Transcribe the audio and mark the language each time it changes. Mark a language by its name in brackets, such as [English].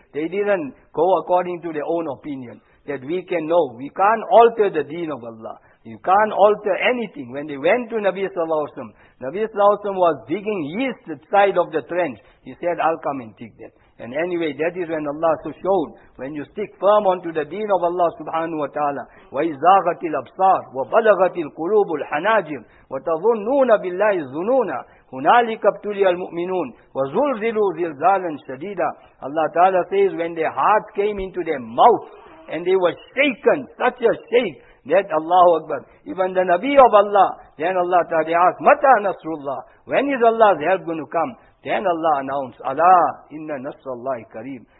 [English] They didn't go according to their own opinion. That we can know. We can't alter the deen of Allah. You can't alter anything. When they went to Nabi sallallahu alayhi wa sallam, Nabi sallallahu alayhi wa sallam was digging east side of the trench. He said, I'll come and dig that. And anyway, that is when Allah so showed. When you stick firm onto the deen of Allah subhanahu wa ta'ala, [Arabic] وَإِذَاغَتِ الْأَبْصَارِ وَبَلَغَتِ الْقُلُوبُ الْحَنَاجِرِ وَتَظُنُّونَ بِاللَّهِ الظُّنُونَ هُنَالِكَ ابْتُلِيَ الْمُؤْمِنُونَ وَزُلْزِلُوا زِلْزَالًا شَدِيدًا. [English] Allah Ta'ala says, when their heart came into their mouth and they were shaken, such a shake, that Allahu Akbar, even the Nabi of Allah, then Allah Ta'ala asked, [Arabic] مَتَى نَصْرُ اللَّهِ, [English] when is Allah's help going to come? Then Allah announced, Allah, [Arabic] inna nasr Allahi kareem.